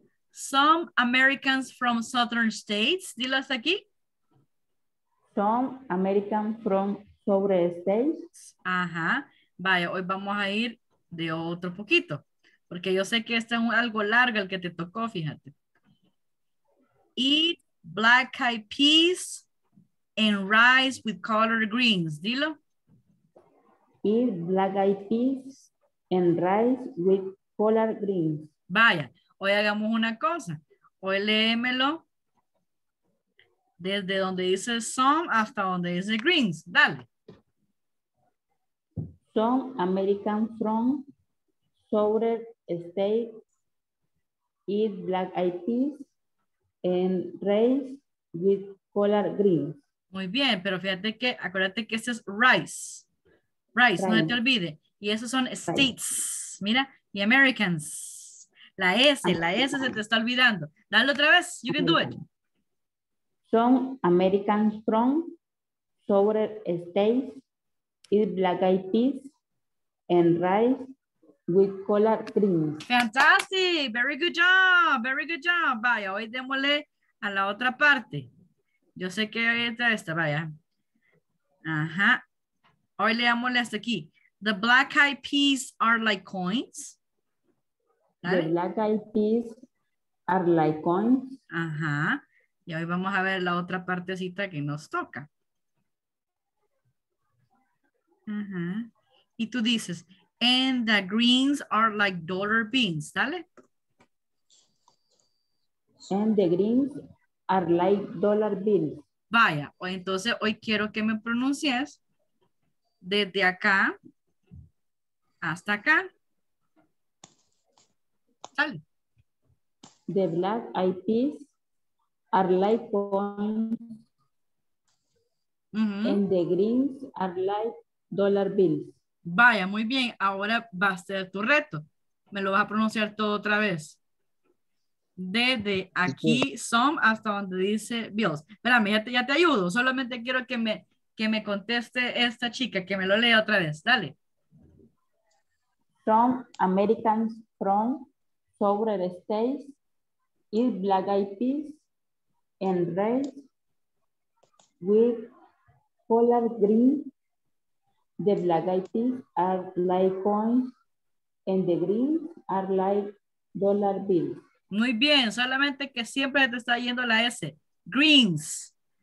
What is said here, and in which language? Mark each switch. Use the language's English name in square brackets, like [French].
[English] Some Americans from Southern States. [Spanish] Dilo hasta aquí. [English] Some Americans from Southern States. Ajá. [Spanish] Vaya, hoy vamos a ir de otro poquito. Porque yo sé que este es algo largo el que te tocó, fíjate. [English] Eat black eyed peas and rice with collard greens. [Spanish] Dilo. [English] Eat black eyed peas and rice with collard greens. [Spanish] Vaya, hoy hagamos una cosa. Hoy léemelo desde donde dice some hasta donde dice greens. Dale. [English] Some American from Southern States eat black eyed peas and rice with collard greens. [Spanish] Muy bien, pero fíjate que, acuérdate que ese es rice. Rice, no se te olvide. Y esos son states, rice. Mira, y Americans. La S se te está olvidando. Dale otra vez, [English] you can do it. Some Americans from Southern States eat black eyed peas and rice with collard greens. Fantastic, very good job, [Spanish] very good job. Vaya, hoy démosle a la otra parte. Yo sé que hoy está esta, vaya. Ajá. Hoy le damos hasta aquí. [English] The black eyed peas are like coins. Dale. The black eyed peas are like coins. Ajá. [Spanish] Y hoy vamos a ver la otra partecita que nos toca. Ajá. Y tú dices, [English] and the greens are like dollar beans. [Spanish] Dale. [English] And the greens are like dollar beans. [Spanish] Vaya. Entonces hoy quiero que me pronuncies desde acá hasta acá. Sale. [English] The black eyed peas are like coins. Uh-huh. And the greens are like dollar bills. [Spanish] Vaya, muy bien. Ahora va a ser tu reto. Me lo vas a pronunciar todo otra vez. Desde aquí, some, hasta donde dice bills. Espérame, ya te ayudo. Solamente quiero que me conteste esta chica, que me lo lea otra vez. Dale. [English] Some Americans from Southern States eat black eyed peas and rice with collard greens. The black eyed peas are like coins and the greens are like dollar bills. [Spanish] Muy bien, solamente que siempre te está yendo la S. Greens.